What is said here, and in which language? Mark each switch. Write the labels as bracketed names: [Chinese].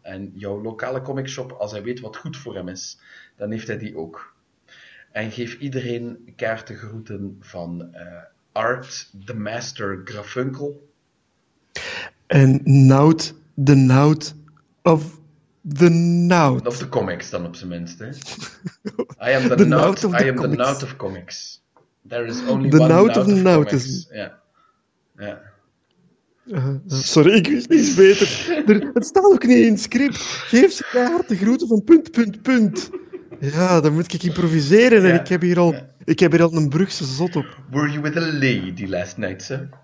[Dutch] En jouw lokale comicshop, als hij weet wat goed voor hem is, dan heeft hij die ook. En geef iedereen kaarten groeten van Art the Master Grafunkel. En Nout the Nout of the Nout. Of de comics dan op zijn minst. Hè? [English] I am the Nout of I am the Nout of comics. There is only the one Nout of the Nout. [Dutch] Is... Ja. Ja. Sorry, ik wist niet beter. Het staat ook niet in het script. Geef ze kaarten groeten van punt, punt, punt. Ja, dan moet ik improviseren en ja, ik heb hier al een brugse zot op. [English] Were you with a lady last night, sir?